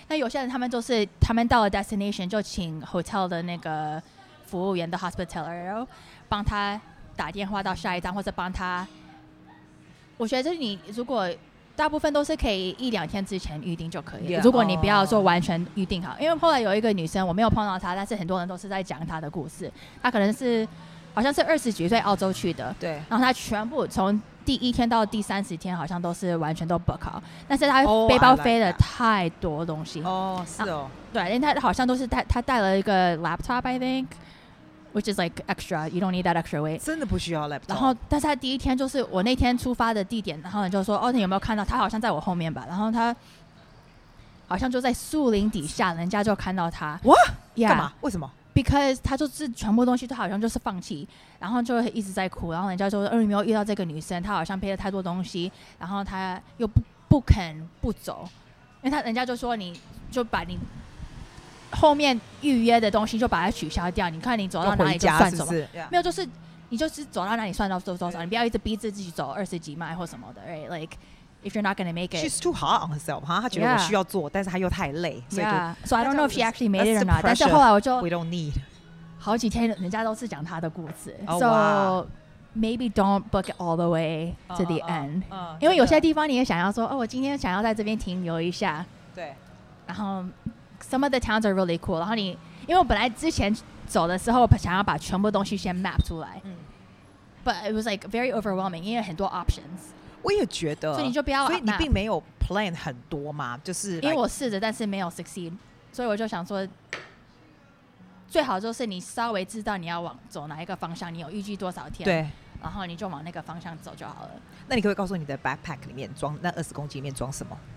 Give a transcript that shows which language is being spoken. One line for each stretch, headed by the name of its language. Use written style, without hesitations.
Chinese: 那有些人他们就是他们到了 destination 就请 hotel 的那个服务员的 hospitalero 帮他打电话到下一站，或者帮他，我觉得你如果大部分都是可以一两天之前预定就可以了，如果你不要说完全预定好。因为后来有一个女生，我没有碰到她，但是很多人都是在讲她的故事。她可能是好像是二十几岁澳洲去的，对，然后她全部从第一天到第三十天好像都是完全都 book 好，但是他背包飞了太多东西。哦、oh, like oh, 是哦，对，因为他好像都是他带了一个
English: laptop I think which is like extra, you don't need that extra weight,
Chinese: 真的不需要 laptop。然后但是他第一天就是我那天出发的地点，然后你就说哦，你有没有看到他好像在我后面吧，然后他好像就在树林底下，人家就看到他。
English: What?
Chinese: 干、yeah. 嘛为什么？ Because 他就是全部东西都好像就是放弃，然后就一直在哭，然后人家说你没有遇到这个女生，她好像背了太多东西，然后她又 不肯不走，因为人家就说你就把你后面预约的东西就把它取消掉，你看你走到哪里就算什么，是是、yeah. 没有，就是你就是走到哪里算到多少、yeah. 你不要一直逼自己走二十几迈或什么的 right?
English: Like if you're not going to make it, she's too hard on herself, huh?
Chinese: 她觉得我需要做、
English: yeah.
Chinese: 但是她又太累、
English: yeah. So I don't know if she actually made it or not, that's the pressure we don't need.
Chinese: 好几天人家都是讲她的故事、
English: oh, so、 wow. maybe don't book it all the way to the end.
Chinese: 因为有些地方你也想要说、oh, 我今天想要在这边停留一下，对，然后
English: some of the towns are really cool,
Chinese: 然后你因为我本来之前走的时候想要把全部东西先 map 出来、mm.
English: but it was like very overwhelming,
Chinese: 因为很多
English: options。
Chinese: 我也觉得，所以你就不要，所以你并没有 plan 很多嘛，就是 like, 因为我试着，但是没有 succeed， 所以我就想说，最好就是你稍微知道你要往走哪一个方向，你有预计多少天，对，然后你就往那个方向走就好了。那你可不可以告诉你的 backpack 里面装那二十公斤里面装什么？